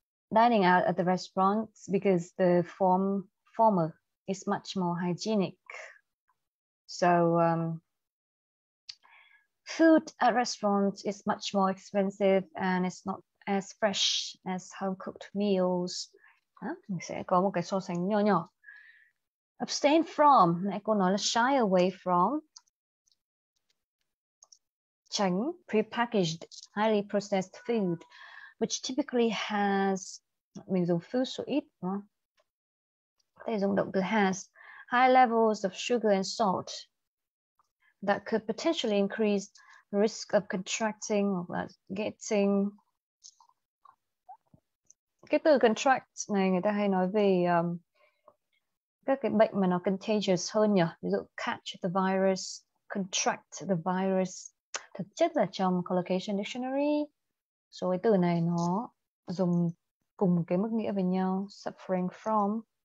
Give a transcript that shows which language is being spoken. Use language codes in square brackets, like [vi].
[en] Dining out at the restaurant because the former is much more hygienic. So, food at restaurants is much more expensive and it's not as fresh as home-cooked meals. [vi] Mình sẽ có một cái so sánh nhỏ nhỏ. [en] Abstain from. [vi] Nãy cô nói là [en] shy away from. [vi] Tránh [en] prepackaged, highly processed food, which typically has... [vi] Mình dùng food số ít. Thế dùng động từ [en] has. High levels of sugar and salt that could potentially increase risk of contracting or getting... [vi] Cái từ contract này người ta hay nói về các cái bệnh mà nó contagious hơn nhỉ? Ví dụ [en] catch the virus, contract the virus. [vi] Thực chất là trong collocation dictionary, số cái từ này nó dùng cùng cái mức nghĩa với nhau, [en] suffering from.